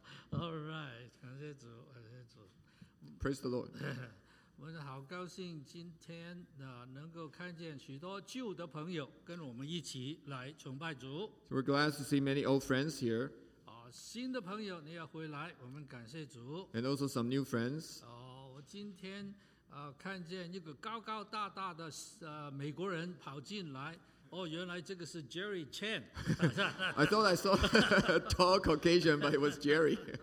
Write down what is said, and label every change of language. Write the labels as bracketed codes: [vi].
[en] All right, [zh] 感谢主，感谢主。 [en] Praise the Lord. [zh] 我们好高兴今天能够看见许多旧的朋友跟我们一起来崇拜主。 [en] So、we're glad to see many old friends here. [zh] 新的朋友你要回来，我们感谢主。 [en] And also some new friends. [zh] 我今天看见一个高高大大的美国人跑进来。原来这个是 Jerry Chen. [en] I thought I saw a tall Caucasian, but it was Jerry.